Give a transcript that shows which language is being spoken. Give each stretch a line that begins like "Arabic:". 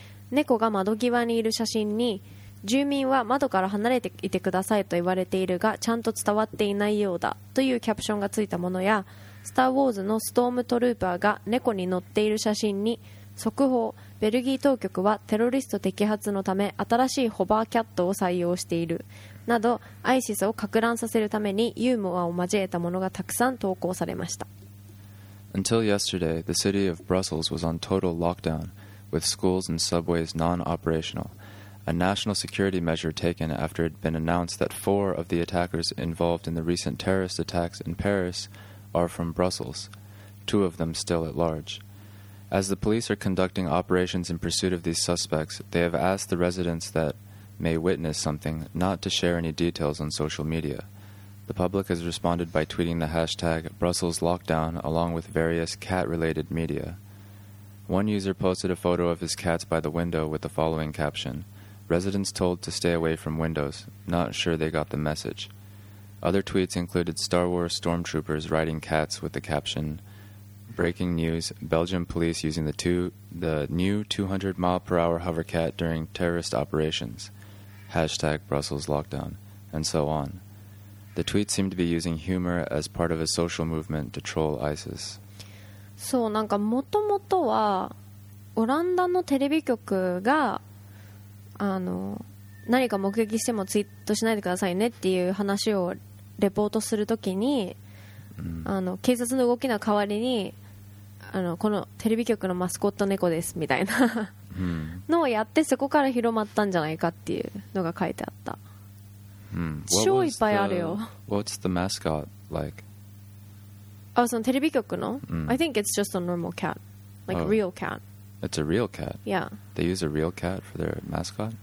Japanese: 猫が窓際にいる写真に、住民は窓から離れていてくださいと言われているがちゃんと伝わっていないようだというキャプションがついたものや、スターウォーズのストームトルーパーが猫に乗っている写真に、速報、ベルギー当局はテロリスト摘発のため新しいホバーキャットを採用しているなど、 ISIS を攪乱させるためにユーモアを交えたものがたくさん投稿されました。
English: Until yesterday, the city of Brussels was on total lockdown, with schools and subways non-operational, a national security measure taken after it had been announced that 4 of the attackers involved in the recent terrorist attacks in Paris are from Brussels, 2 of them still at large. As the police are conducting operations in pursuit of these suspects, they have asked the residents that may witness something not to share any details on social media. The public has responded by tweeting the hashtag #BrusselsLockdown along with various cat-related media. One user posted a photo of his cats by the window with the following caption, "Residents told to stay away from windows, not sure they got the message." Other tweets included Star Wars stormtroopers riding cats with the caption,Breaking news, Belgium police using the new 200 mile per hour hovercat during terrorist operations, #BrusselsLockdown, and so on. The tweet seemed to be using humor as part of a social movement to troll ISIS.
Japanese: そう、なんかもともとはオランダのテレビ局が何か目撃してもツイートしないでくださいねっていう話をレポートするときに、警察の動きの代わりにこのテレビ局のマスコット猫ですみたいなのをやって、そこから広まったんじゃないかっていうのが書いてあった。超いっぱいあるよ。
English: What's the mascot like?
Japanese: あ、そのテレビ局の、
English: I think it's just a normal cat, like real cat. It's a real cat. Yeah. They use a real cat for their mascot.